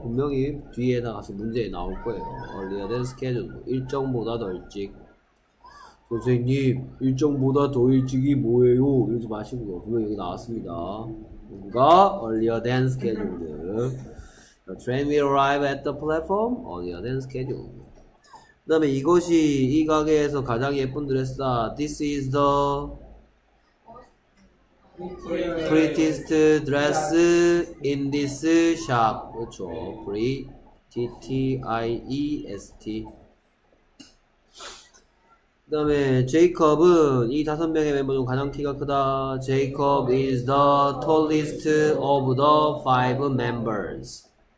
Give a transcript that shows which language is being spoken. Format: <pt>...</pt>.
<ko>분명히 뒤에 나가서 문제에 나올 거예요.</ko> <en>Earlier than scheduled.</en> <ko>일정보다 더 일찍. 선생님, 일정보다 더 일찍이 뭐예요? 이러지 마시고요. 분명히 여기 나왔습니다. 뭔가</ko> <en>Earlier than scheduled. The train will arrive at the platform earlier than scheduled.</en> <ko>그 다음에 이것이 이 가게에서 가장 예쁜 드레스다.</ko> <en>This is the prettiest dress in this shop.</en> <ko>그렇죠. Pretty. T-I-E-S-T. 그 다음에 제이콥은 이 다섯 명의 멤버 중 가장 키가 크다.</ko> <en>Jacob is the tallest of the five members.</en>